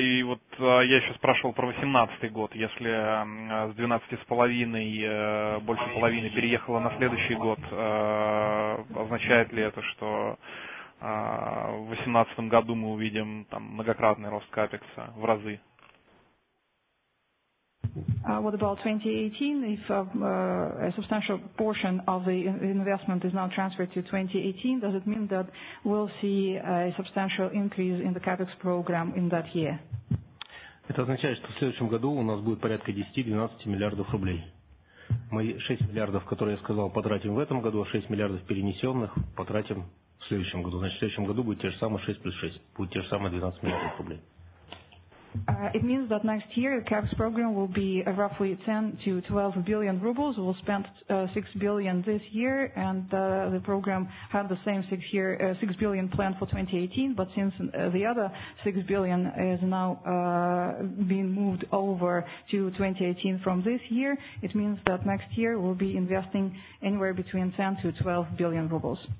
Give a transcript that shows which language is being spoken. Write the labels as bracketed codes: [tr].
[ru] И вот я еще спрашивал про 2018 год. Если с 12,5 больше половины переехало на следующий год, означает ли это, что в 2018 году мы увидим там многократный рост капекса в разы? [en] What about 2018? If a substantial portion of the investment is now transferred to 2018, does it mean that we'll see a substantial increase in the CapEx program in that year? [ru] Это означает, что в следующем году у нас будет порядка 10-12 миллиардов рублей. Мы 6 миллиардов, которые я сказал, потратим в этом году, а 6 миллиардов перенесенных потратим в следующем году. Значит, в следующем году будет те же самые 6 плюс 6, будет те же самые 12 миллиардов рублей. [en] It means that next year the CAPEX program will be roughly 10 to 12 billion rubles. We'll spend 6 billion this year, and the program had the same 6 billion plan for 2018, but since the other 6 billion is now being moved over to 2018 from this year, it means that next year we'll be investing anywhere between 10 to 12 billion rubles.